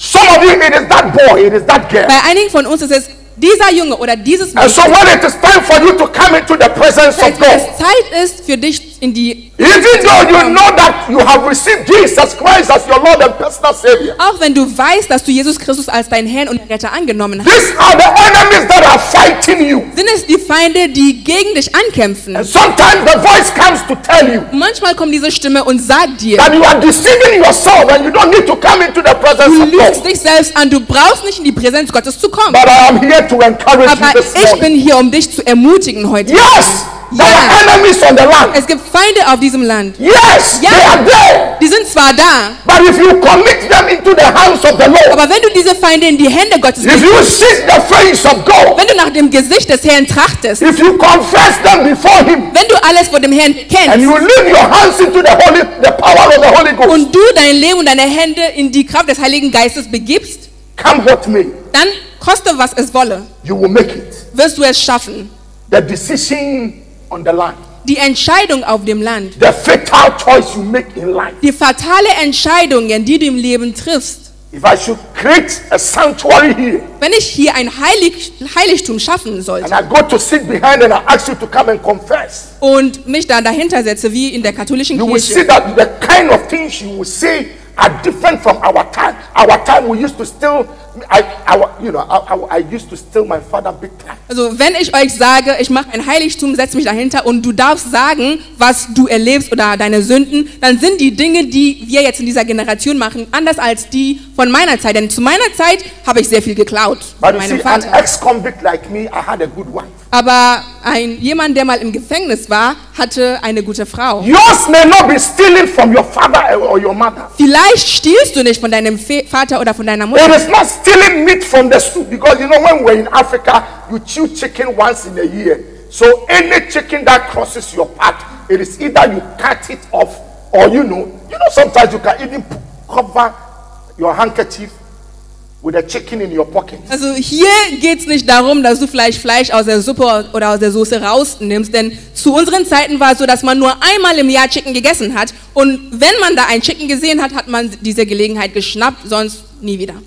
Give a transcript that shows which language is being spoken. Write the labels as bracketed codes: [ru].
[de] Bei einigen von uns ist es dieser Junge oder dieses Mädchen. Wenn es Zeit ist für dich in die [en] even though you know that you have received Jesus Christ as your Lord and personal Savior. [de] Auch wenn du weißt, dass du Jesus Christus als deinen Herrn und Retter angenommen hast. [en] These are the enemies that are fighting you. [de] Sind es die Feinde, die gegen dich ankämpfen? [en] And sometimes the voice comes to tell you. [de] Manchmal kommt diese Stimme und sagt dir, [en] that you are deceiving yourself and you don't need to come into the presence of God. [de] Du lügst dich selbst an, du brauchst nicht in die Präsenz Gottes zu kommen. [en] But I am here to encourage [de] aber [en] you this [de] ich [en] morning. [de] Bin hier, um dich zu ermutigen heute. [en] Yes. [de] Ja. [en] There are enemies on the land. [de] Es gibt Feinde auf diesem Land. [en] Yes, [de] ja. [en] They are there. [de] Die sind zwar da. [en] But if you commit them into the hands of the Lord. [de] Aber wenn du diese Feinde in die Hände Gottes gibst. [en] If you seek the face of God. [de] Wenn du nach dem Gesicht des Herrn trachtest. [en] If you confess them before him. [de] Wenn du alles vor dem Herrn kennst. [en] And you lift your hands into the power of the Holy Ghost. [de] Und du dein Leben und deine Hände in die Kraft des Heiligen Geistes begibst. [en] Come what may. [de] Dann koste was es wolle. [en] You will make it. [de] Wirst du es schaffen. [en] The decision on the land. [de] Die Entscheidung auf dem Land. [en] The fatal choice you make in life. [de] Die fatale Entscheidung, die du im Leben triffst. [en] If I should create a sanctuary here. [de] Wenn ich hier ein Heiligtum schaffen sollte. [en] And I go to sit behind and I ask you to come and confess. [de] Und mich dann dahinter setze wie in der katholischen Kirche. [en] You will see that the kind of things you will say are different from our time. Our time we used to still I used to steal my father big time. [de] Also, wenn ich euch sage, ich mache ein Heiligtum, setz mich dahinter und du darfst sagen, was du erlebst oder deine Sünden, dann sind die Dinge, die wir jetzt in dieser Generation machen, anders als die von meiner Zeit. Denn zu meiner Zeit habe ich sehr viel geklaut von meinem Vater. [en] An ex-convict like me, I had a good wife. [de] Aber jemand, der mal im Gefängnis war, hatte eine gute Frau. [en] Yours may not be stealing from your father or your mother. [de] Vielleicht stiehlst du nicht von deinem Vater oder von deiner Mutter. [en] It is not stealing meat from the soup, because you know when we're in Africa, you chew chicken once in a year. So any chicken that crosses your path, it is either you cut it off or you know sometimes you can even cover your handkerchief with a chicken in your pocket. [de] Also hier geht's nicht darum, dass du vielleicht Fleisch aus der Suppe oder aus der Soße rausnimmst, denn zu unseren Zeiten war es so, dass man nur einmal im Jahr Chicken gegessen hat und wenn man da ein Chicken gesehen hat, hat man diese Gelegenheit geschnappt, sonst nie wieder.